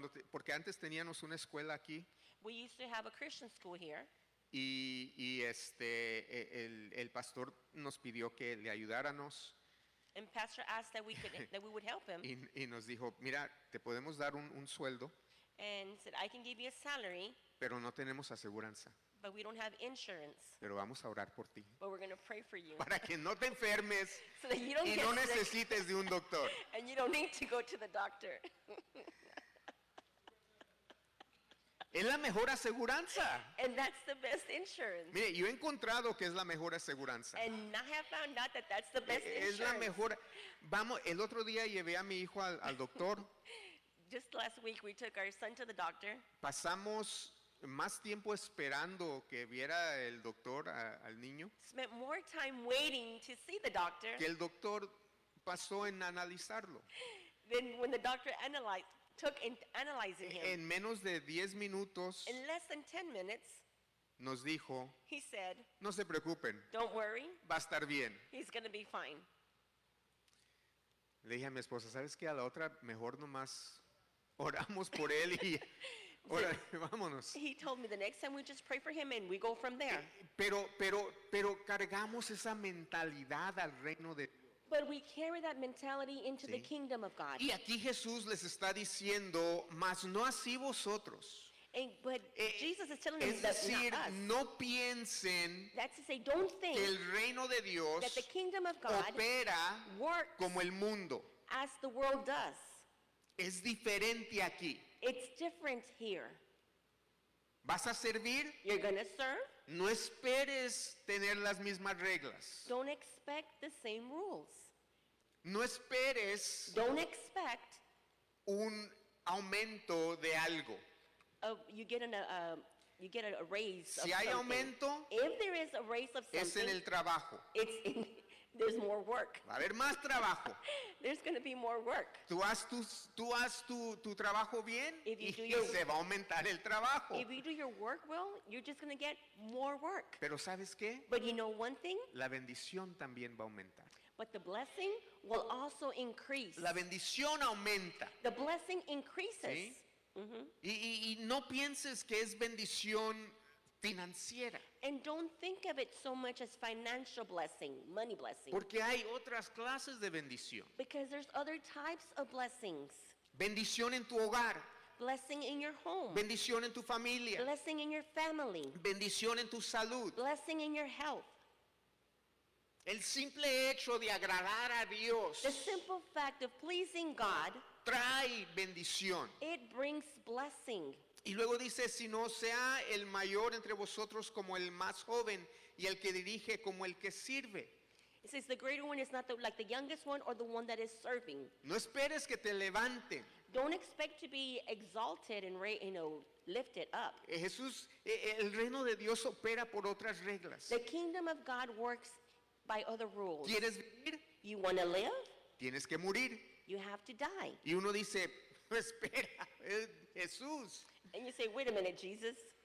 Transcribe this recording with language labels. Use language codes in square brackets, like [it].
[es] Porque antes teníamos una escuela aquí. [en] We used to have a Christian school here. [es] Y el pastor nos pidió que le ayudáramos. [en] And pastor asked that we would help him. [es] Y nos dijo, mira, te podemos dar un sueldo. [en] And said, I can give you a salary. [es] Pero no tenemos aseguranza. [en] But we don't have insurance. [es] Pero vamos a orar por ti. [en] But we're going to pray for you. [es] Para que no te enfermes. [en] So that you don't [es] y [en] get [es] no necesites [en] sick. [es] De un doctor. [en] And you don't need to go to the doctor. [es] Es la mejor aseguranza. [en] And that's the best insurance. [es] Mire, yo he encontrado que es la mejor aseguranza. [en] And I have found out that that's the best insurance. [es] Es la mejor. Vamos, el otro día llevé a mi hijo al doctor. [en] Just last week we took our son to the doctor. [es] Pasamos más tiempo esperando que viera el doctor al niño. [en] Spent more time waiting to see the doctor. [es] Que el doctor pasó en analizarlo. [en] Then when the doctor analyzing him. [es] En menos de 10 minutos. [en] In less than 10 minutes. [es] Nos dijo. [en] He said. [es] No se preocupen. [en] Don't worry. [es] Va a estar bien. [en] He's going to be fine. [es] Le dije a mi esposa, ¿sabes qué? A la otra mejor nomás oramos por él y vámonos. [en] He told me the next time we just pray for him and we go from there. [es] Pero cargamos esa mentalidad al reino de Dios. [en] But we carry that mentality into the kingdom of God. [es] Y aquí Jesús les está diciendo, mas no así vosotros. [en] But Jesus is telling them that not us. [es] No piensen, [en] that's to say, don't think [es] el reino de Dios [en] that the kingdom of God [es] opera [en] works [es] como el mundo. [en] As the world does. [es] Es diferente aquí. [en] It's different here. [es] ¿Vas a servir? [en] You're going to serve. [es] No esperes tener las mismas reglas. [en] Don't expect the same rules. [es] No esperes [en] don't expect [es] un aumento de algo. [en] You get a raise. [es] Si hay aumento, [en] if there is a raise of something, [es] es en el trabajo. [en] There's more work. [es] Va a haber más trabajo. [en] There's going to be more work. [es] Tú haz tu trabajo bien y se va a aumentar el trabajo. [en] If you do your work well, you're just going to get more work. [es] Pero ¿sabes qué? [en] But you know one thing? [es] La bendición también va a aumentar. [en] But the blessing will also increase. [es] La bendición aumenta. [en] The blessing increases. [es] ¿Sí? Mm-hmm. Y no pienses que es bendición financiera. [en] And don't think of it so much as financial blessing, money blessing. [es] Porque hay otras clases de bendición. [en] Because there's other types of blessings. [es] Bendición en tu hogar. [en] Blessing in your home. [es] Bendición en tu familia. [en] Blessing in your family. [es] Bendición en tu salud. [en] Blessing in your health. [es] El simple hecho de agradar a Dios. [en] The simple fact of pleasing God. [es] Trae bendición. [en] It brings blessing. [es] Y luego dice, si no sea el mayor entre vosotros como el más joven y el que dirige como el que sirve. [en] It says the greater one is not the, like the youngest one or the one that is serving. [es] No esperes que te levante. [en] Don't expect to be exalted and lifted up. [es] Jesús, el reino de Dios opera por otras reglas. [en] The kingdom of God works by other rules. [es] ¿Quieres vivir? [en] You want to live? [es] Tienes que morir. [en] You have to die. [es] Y uno dice, espera, Jesús. [en] And you say, wait a minute, Jesus.